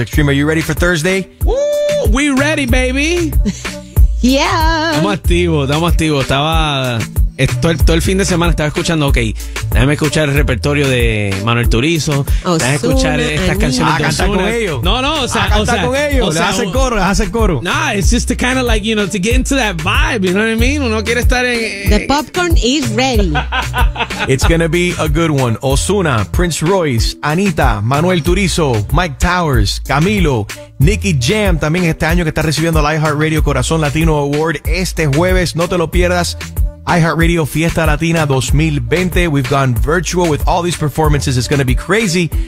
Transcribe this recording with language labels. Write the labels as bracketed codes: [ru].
[en] Extreme, are you ready for Thursday? Ooh, we ready, baby. Yeah. [es] Estamos activos. Todo el fin de semana estaba escuchando, ok, déjame escuchar el repertorio de Manuel Turizo, Ozuna, déjame escuchar estas canciones de Ozuna. Con ellos. No, o sea, a cantar con ellos. Le hacen coro. [en] Nah, it's just to kind of like, you know, to get into that vibe, you know what I mean? [es] Uno quiere estar en... [en] The popcorn is ready. It's gonna be a good one. [es] Ozuna, Prince Royce, Anita, Manuel Turizo, Mike Towers, Camilo, Nicky Jam, también este año que está recibiendo el iHeartRadio Corazón Latino Award este jueves. No te lo pierdas. [en] iHeartRadio Fiesta Latina 2020. We've gone virtual with all these performances. It's going to be crazy.